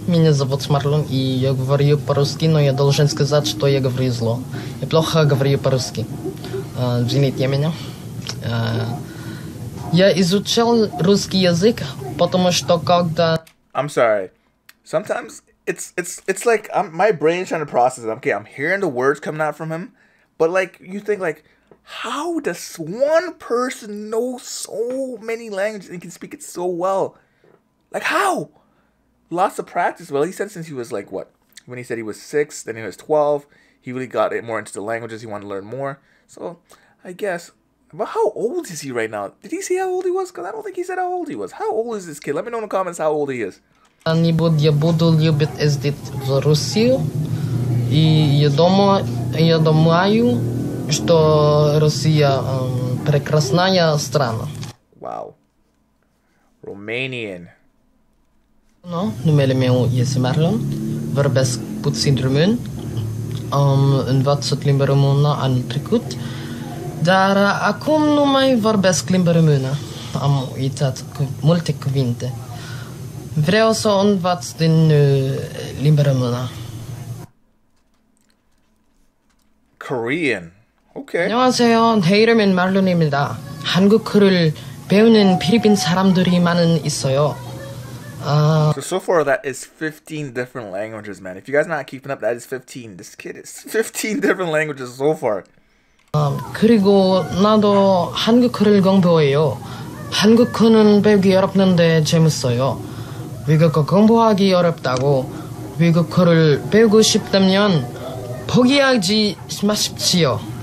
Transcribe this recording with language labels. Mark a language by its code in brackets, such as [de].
[ru] Меня зовут Марлон, и я говорю по-русски, но я должен сказать, что я говорю зло. Я плохо говорю по-русски. Извините меня. Я изучал русский язык, потому что когда... [en] I'm sorry. Sometimes it's like my brain is trying to process it. Okay, I'm hearing the words coming out from him, but like you think like, how does one person know so many languages and can speak it so well? Like, how? Lots of practice. Well, he said since he was like, what? When he said he was 6, then he was 12, he really got it more into the languages. He wanted to learn more. So, I guess. But how old is he right now? Did he say how old he was? Because I don't think he said how old he was. How old is this kid? Let me know in the comments how old he is. [ru] Я буду любить ездить в Россию. И я думаю, что Россия прекрасная страна. [en] Wow. Romanian. [ro] No, numele meu este Marlon. Vorbesc puțin român. Am învățat limba română anul trecut, dar acum nu mai vorbesc limba română. Am uitat multe cuvinte. Vreau să învăț din limba română. [en] Korean. Okay. [ko] 안녕하세요. 내 이름은 Marlon입니다. 한국어를 배우는 필리핀 사람들이 많은 있어요. [en] So far that is 15 different languages, man. If you guys are not keeping up, that is 15. This kid is 15 different languages so far. [ko] 그리고 나도 한국어를 공부해요. 한국어는 배우기 어렵는데 재밌어요. 외국어 공부하기 어렵다고 외국어를 배우고 싶다면 포기하지 마십시오.